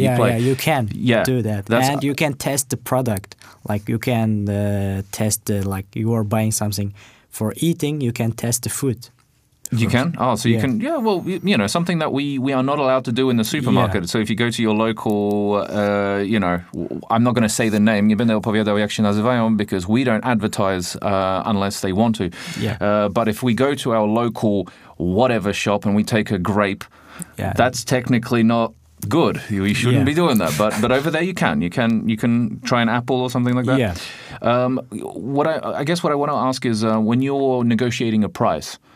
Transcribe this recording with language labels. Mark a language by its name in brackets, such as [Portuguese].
[English] You can do that, and you can test the product. Like you can test the, like you are buying something for eating. You can test the food. You can? Oh, so you can? Yeah. Well, something that we are not allowed to do in the supermarket. Yeah. So if you go to your local, I'm not going to say the name. [Polish] Nie będę opowiadał, jak się nazywają, [English] because we don't advertise unless they want to. Yeah. But if we go to our local whatever shop and we take a grape, that's technically not good. You shouldn't be doing that. But over there, you can try an apple or something like that. Yeah. What I want to ask is when you're negotiating a price.